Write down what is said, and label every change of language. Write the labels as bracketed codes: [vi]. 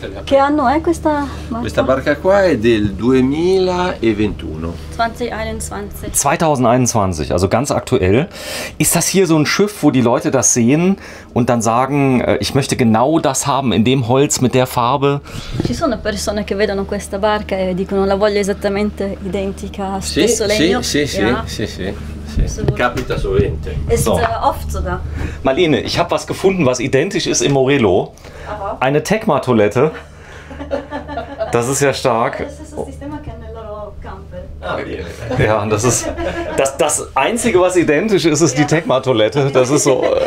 [it] Che anno è questa barca? Questa barca qua è del 2021. [de] 2021, also ganz aktuell. Ist das hier so ein Schiff, wo die Leute das sehen und dann sagen, ich möchte genau das haben, in dem Holz, mit der Farbe? [it] Ci sono persone che vedono questa barca e dicono la voglio esattamente identica, stesso legno. Sì, sì, sì, sì, sì. Capita [de] sovente. Ist oft sogar. Marlene, ich habe was gefunden, was identisch ist im Morello. Eine Tecma-Toilette. Das ist ja stark. Ja, das ist das Einzige, was identisch ist, ist die Tecma-Toilette. Das ist so.